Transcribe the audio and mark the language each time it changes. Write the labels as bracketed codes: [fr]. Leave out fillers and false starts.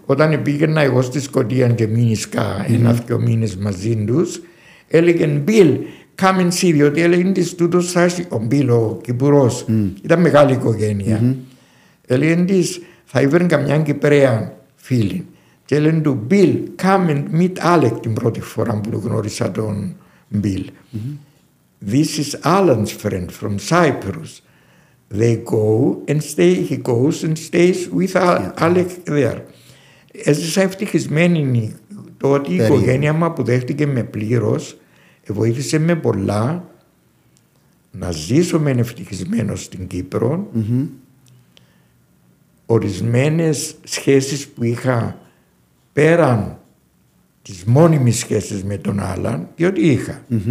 [el] Όταν πήγαινα εγώ στη Σκωτία και μήνυσκα ένα-δυο μήνες μαζί τους, έλεγαν Bill, [en] come and see, [el] διότι έλεγαν της τούτος θα έρθει, ο Bill ο Κυπουρός, ήταν μεγάλη οικογένεια. Έλεγαν της, θα έβρουν καμιά Κυπρέα φίλη. Και έλεγαν του, Bill, [en] come and meet Alec [el] την πρώτη φορά που γνώρισα τον Bill. [en] This is Alan's friend from Cyprus. They go and stay, he goes and stays with Alec there. [el] Έζησα ευτυχισμένη το ότι η οικογένεια μου αποδέχτηκε με πλήρως, βοήθησε με πολλά να ζήσω μεν ευτυχισμένο στην Κύπρο. Ορισμένες σχέσεις που είχα πέραν τις μόνιμες σχέσεις με τον Άλαν, διότι είχα.